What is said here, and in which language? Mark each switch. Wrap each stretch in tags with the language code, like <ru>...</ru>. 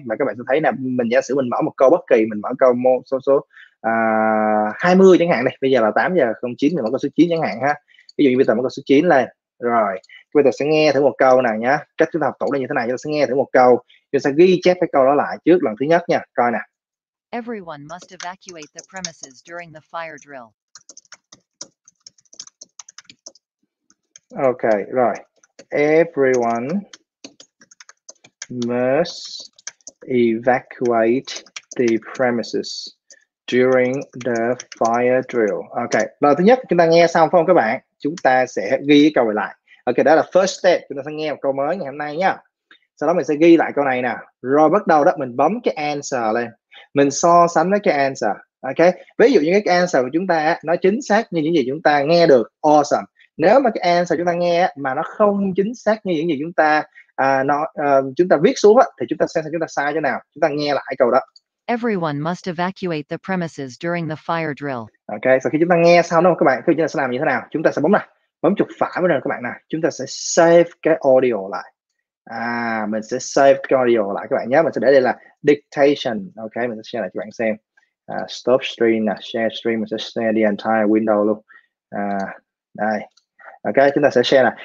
<vi>Và các bạn sẽ thấy nè, mình giả sử mình mở một câu bất kỳ, mình mở câu một số số 20 chẳng hạn đây. Bây giờ là 8:09, mình mở câu số 9 chẳng hạn ha. Ví dụ như bây giờ mở câu số 9 lên. Rồi, bây giờ sẽ nghe thử một câu nè nhá. Cách chúng ta học tủ là như thế này, chúng ta sẽ nghe thử một câu. Chúng ta sẽ ghi chép cái câu đó lại trước lần thứ nhất nha. Coi nè.</vi> <en>Everyone must evacuate the premises during the fire drill.</en> <vi>Ok, rồi.</vi> <en>Everyone must evacuate the premises during the fire drill.</en> <vi>Ok, lần thứ nhất chúng ta nghe xong phải không các bạn? Chúng ta sẽ ghi cái câu lại. Ok, đó là</vi> <en>first step.</en> <vi>Chúng ta sẽ nghe một câu mới ngày hôm nay nha. Sau đó mình sẽ ghi lại câu này nè. Rồi bắt đầu đó, mình bấm cái answer lên. Mình so sánh với cái answer. Ok, ví dụ như cái answer của chúng ta nó chính xác như những gì chúng ta nghe được.</vi> <en>Awesome.</en> <vi>Nếu mà cái answer chúng ta nghe mà nó không chính xác như những gì chúng ta chúng ta viết xuống á, thì chúng ta xem chúng ta sai chỗ nào. Chúng ta nghe lại câu đó.</vi> <en>Everyone must evacuate the premises during the fire drill.</en> <vi>Ok, sau khi chúng ta nghe xong đó các bạn, thì chúng ta sẽ làm như thế nào? Chúng ta sẽ bấm này, bấm chuột phải bên này các bạn nè. Chúng ta sẽ save cái audio lại. À, mình sẽ save cái audio lại các bạn nhé. Mình sẽ để đây là dictation. Ok, mình sẽ share lại cho bạn xem.</vi> <en>Stop stream</en> <vi>nè,</vi> <en>share stream.</en> <vi>Mình sẽ</vi> <en>share the entire window</en> <vi>luôn. Đây. Ok, chúng ta sẽ share nè.</vi>